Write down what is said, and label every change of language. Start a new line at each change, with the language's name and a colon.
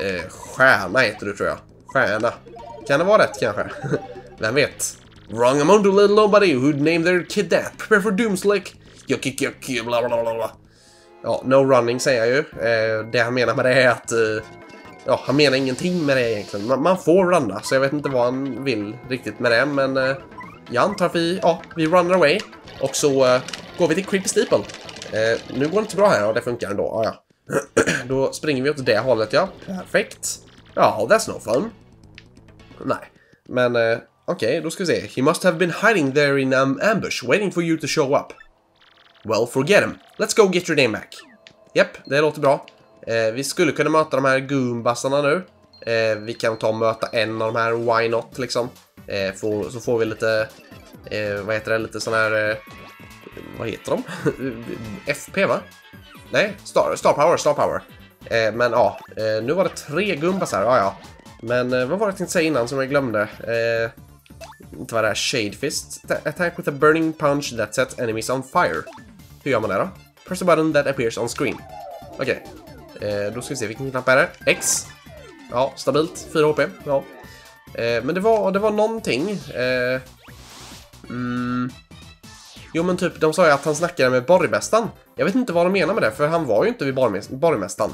Swedish: stjärna heter du, tror jag. Stjärna. Kan det vara rätt, kanske? Vem vet?
English: Wrong among the little nobody who'd name their kid that. Prepare for doom, Slick. Yucky, bla bla bla bla.
Swedish: Ja,
English: no running,
Swedish: säger jag ju. Det han menar med det är att... ja, han menar ingenting med det egentligen. Man får runna, så jag vet inte vad han vill riktigt med det. Men jag antar att vi runner away. Och så går vi till Creepy Steeple. Nu går det inte bra här, och det funkar ändå. Ja. Då springer vi åt det hållet, ja. Perfekt. Ja,
English: that's no fun.
Swedish: Nej. Men, Okej, då ska vi se.
English: He must have been hiding there in ambush, waiting for you to show up. Well, forget him. Let's go get your name back.
Swedish: Yep, det låter bra. Vi skulle kunna möta de här goombassarna nu. Vi kan ta och möta en av de här,
English: why not,
Swedish: liksom. Så får vi lite, vad heter det, lite sån här, vad heter de? FP, va? Nej, star power. Men ja, nu var det tre gumbas här, ja. Men vad var det jag tänkte säga innan som jag glömde? Inte vad det är, Shade Fist.
English: Attack with a burning punch that sets enemies on fire.
Swedish: Hur gör man det då?
English: Press a button that appears on screen.
Swedish: Okej, då ska vi se vilken knapp är det. X. Ja, stabilt. 4 HP, ja. Men det var någonting. Jo, men typ, de sa ju att han snackade med borgmästaren. Jag vet inte vad de menar med det, för han var ju inte vid borgmästaren.